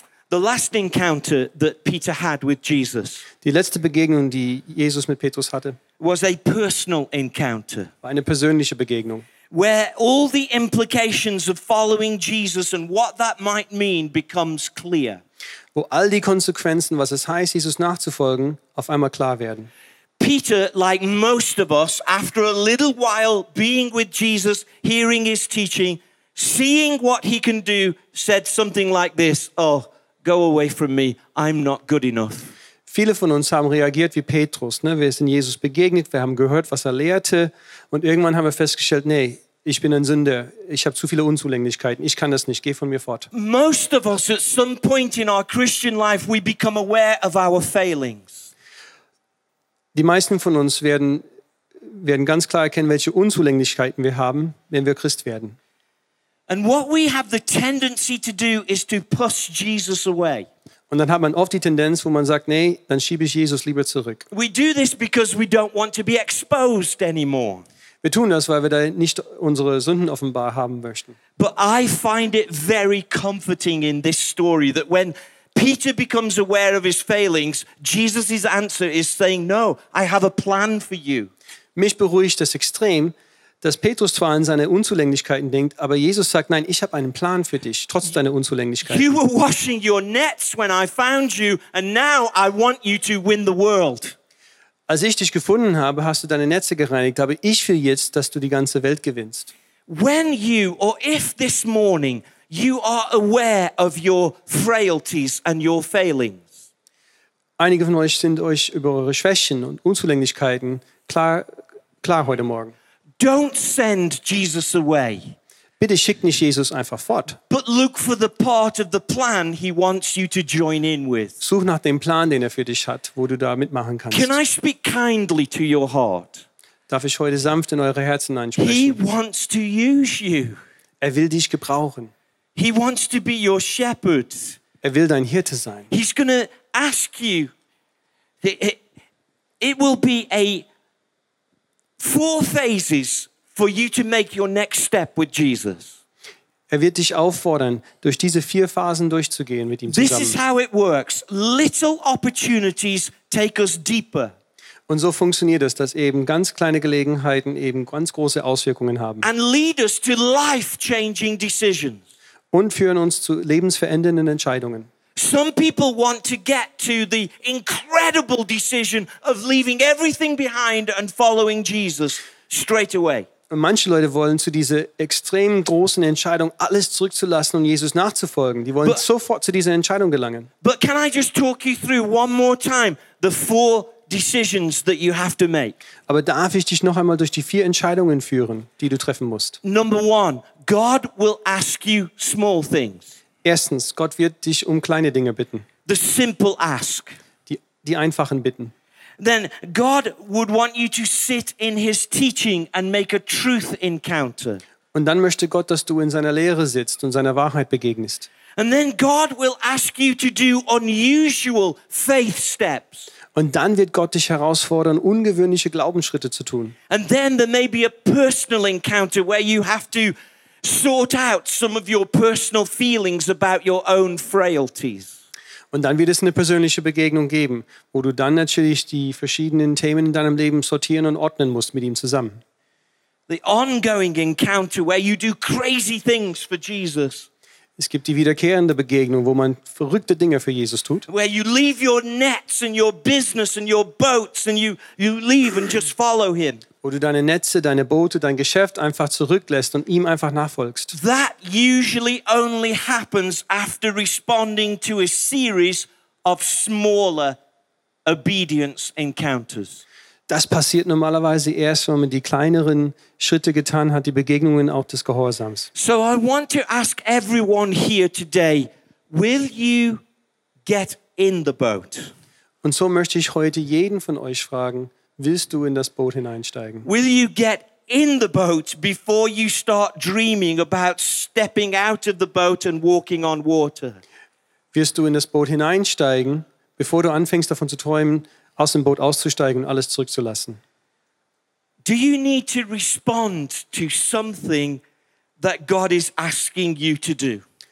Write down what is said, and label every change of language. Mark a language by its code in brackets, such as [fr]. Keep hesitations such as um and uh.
[en] The last encounter that Peter had with Jesus. [de] Die letzte Begegnung, die Jesus mit Petrus hatte. [en] Was a personal encounter. [de] War persönliche Begegnung. [en] Where all the implications of following Jesus and what that might mean becomes clear. [de] Wo [en] all the [de] Konsequenzen, was es heißt, Jesus nachzufolgen, auf einmal klar werden. [en] Peter, like most of us, after a little while being with Jesus, hearing his teaching, seeing what he can do, said something like this: "Oh." Go away from me. I'm not good enough. [de] Viele von uns haben reagiert wie Petrus. Ne? Wir sind Jesus begegnet, wir haben gehört, was er lehrte. Und irgendwann haben wir festgestellt, nee, ich bin ein Sünder. Ich habe zu viele Unzulänglichkeiten. Ich kann das nicht. Geh von mir fort. Die meisten von uns werden, werden ganz klar erkennen, welche Unzulänglichkeiten wir haben, wenn wir Christ werden. [en] And what we have the tendency to do is to push Jesus away. [de] Und dann have man oft die Tendenz, wo man sagt, nee, dann schiebe ich Jesus lieber zurück. [en] We do this because we don't want to be exposed anymore. [de] Wir tun das, weil wir da nicht unsere Sünden offenbar haben möchten. [en] But I find it very comforting in this story that when Peter becomes aware of his failings, Jesus' answer is saying, no, I have a plan for you. [de] Mich beruhigt das extrem, dass Petrus zwar an seine Unzulänglichkeiten denkt, aber Jesus sagt, nein, ich habe einen Plan für dich, trotz you deiner Unzulänglichkeiten. You, Als ich dich gefunden habe, hast du deine Netze gereinigt, aber ich will jetzt, dass du die ganze Welt gewinnst. [en] When you or if this morning you are aware of your frailties and your failings. [de] Einige von euch sind euch über eure Schwächen und Unzulänglichkeiten klar klar heute morgen. [en] Don't send Jesus away. [de] Bitte schick nicht Jesus einfach fort. [en] But look for the part of the plan he wants you to join in with. [de] Such nach dem Plan, den er für dich hat, wo du da mitmachen kannst. [en] Can I speak kindly to your heart? [de] Darf ich heute sanft in eure Herzen einsprechen? [en] He wants to use you. [de] Er will dich gebrauchen. [en] He wants to be your shepherd. [de] Er will dein Hirte sein. [en] He's going to ask you. It, it, it will be a four phases for you to make your next step with Jesus. [de] Er wird dich auffordern, durch diese vier Phasen durchzugehen mit ihm zusammen. [en] This is how it works. Little opportunities take us deeper. And so it works that even small kleine have eben consequences. And lead us to life-changing decisions. [de] Und führen uns zu lebensverändernden Entscheidungen. [en] Some people want to get to the incredible decision of leaving everything behind and following Jesus straight away. [de] Und manche Leute wollen zu dieser extrem großen Entscheidung alles zurückzulassen und Jesus nachzufolgen. Die wollen but, sofort zu dieser Entscheidung gelangen. [en] But can I just talk you through one more time the four decisions that you have to make? [de] Aber darf ich dich noch einmal durch die vier Entscheidungen führen, die du treffen musst? [en] Number one, God will ask you small things. [de] Erstens, Gott wird dich um kleine Dinge bitten. [en] The simple ask [de] die einfachen bitten. [en] Then God would want you to sit in his teaching and make a truth encounter. [de] Und dann möchte Gott, dass du in seiner Lehre sitzt und seiner Wahrheit begegnest. [en] And then God will ask you to do unusual faith steps. [de] Und dann wird Gott dich herausfordern, ungewöhnliche Glaubensschritte zu tun. [en] And then there may be a personal encounter where you have to sort out some of your personal feelings about your own frailties. [de] Und dann wird es eine persönliche Begegnung geben, wo du dann natürlich die verschiedenen Themen in deinem Leben sortieren und ordnen musst mit ihm zusammen. Es gibt die wiederkehrende Begegnung, wo man verrückte Dinge für Jesus tut. [en] Where you leave your nets and your business and your boats and you you leave and just follow him [de] wo du deine Netze, deine Boote, dein Geschäft einfach zurücklässt und ihm einfach nachfolgst. Das passiert normalerweise erst, wenn man die kleineren Schritte getan hat, die Begegnungen auch des Gehorsams. [en] So I [de] Und so möchte ich heute jeden von euch fragen, Willst du in das Boot hineinsteigen? [en] Will you get in the boat before you start dreaming about stepping out of the boat and walking on water? [de] Wirst du in das Boot hineinsteigen, bevor du anfängst davon zu träumen, aus dem Boot auszusteigen und alles zurückzulassen? [en] Do you need to respond to something that God is asking you to do?